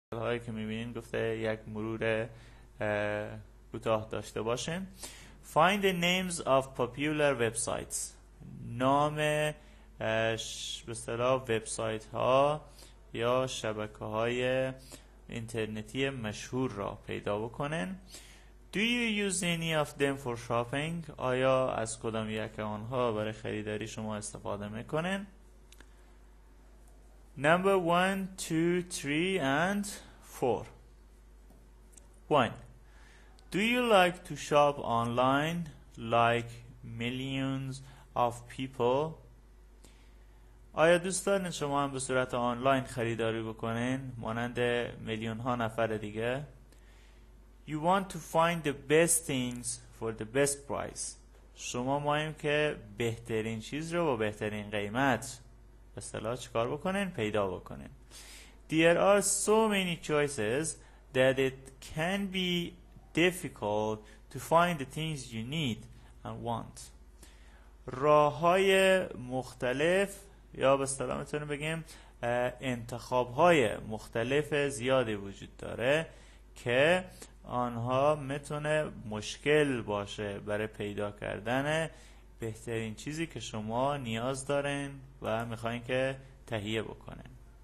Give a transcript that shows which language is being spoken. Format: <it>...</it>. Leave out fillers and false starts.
<fa>هایی که میبینین گفته یک مرور کوتاه داشته باشین.</fa> <en>Find the names of popular websites.</en> <fa>نام به اصطلاح وبسایت ها یا شبکه های اینترنتی مشهور را پیدا بکنن.</fa> <en>Do you use any of them for shopping?</en> <fa>آیا از کدام یک آنها برای خریداری شما استفاده میکنن؟</fa> <en>Number 1, 2, 3 and 4. 1. Do you like to shop online like millions of people?</en> <fa>آیا دوست دارین شما هم به صورت آنلاین خریداری بکنین مانند میلیون ها نفر دیگه؟</fa> <en>You want to find the best things for the best price.</en> <fa>شما مایم که بهترین چیز رو با بهترین قیمت به اصطلاح چیکار بکنین؟ پیدا بکنین.</fa> <en>There are so many choices that it can be difficult to find the things you need and want.</en> <fa>راه‌های مختلف یا به اصطلاح میتونیم بگیم انتخاب‌های مختلف زیادی وجود داره که آنها میتونه مشکل باشه برای پیدا کردن بهترین چیزی که شما نیاز دارین و میخواین که تهیه بکنین.</fa>